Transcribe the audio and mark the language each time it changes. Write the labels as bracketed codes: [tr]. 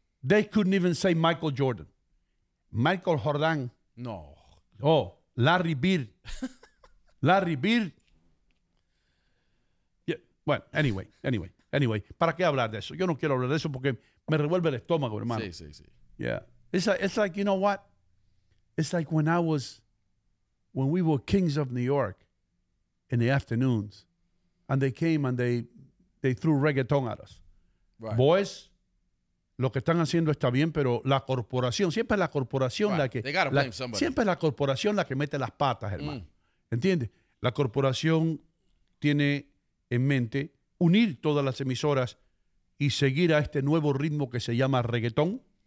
[en] They couldn't even say Michael Jordan. Michael Jordan. No. Oh, Larry Bird. Larry Bird. [es] Yeah. Bueno, anyway. ¿Para qué hablar de eso? Yo no quiero hablar de eso porque me revuelve el estómago, hermano. Sí. [en] Yeah. It's like, you know what? It's like when we were kings of New York in the afternoons. And they came and they threw reggaeton at us. Right. [es] Boys, lo que están haciendo está bien, pero la corporación, siempre es la corporación [en] right. [es] la que... [en] They gotta blame somebody. [es] Siempre es la corporación la que mete las patas, hermano. ¿Entiendes? La corporación tiene en mente unir todas las emisoras y seguir a este nuevo ritmo que se llama reggaeton.